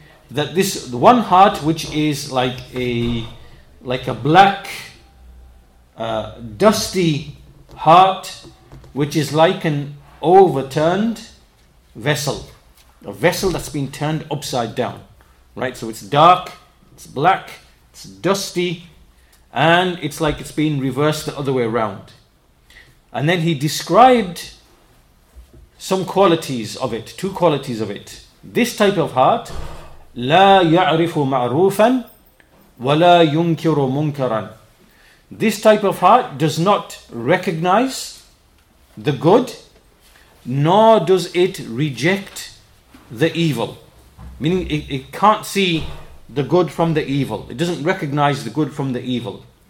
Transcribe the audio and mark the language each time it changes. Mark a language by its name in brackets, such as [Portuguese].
[English] That this one heart which is like a black, dusty heart, which is like an overturned vessel, a vessel that's been turned upside down, right? So it's dark, it's black, it's dusty, and it's like it's been reversed the other way around. And then he described some qualities of it, two qualities of it. This type of heart, [Arabic] لا يعرف معروفا ولا ينكر منكرا. [English] This type of heart does not recognize the good, nor does it reject the evil. Meaning it can't see the good from the evil. It doesn't recognize the good from the evil.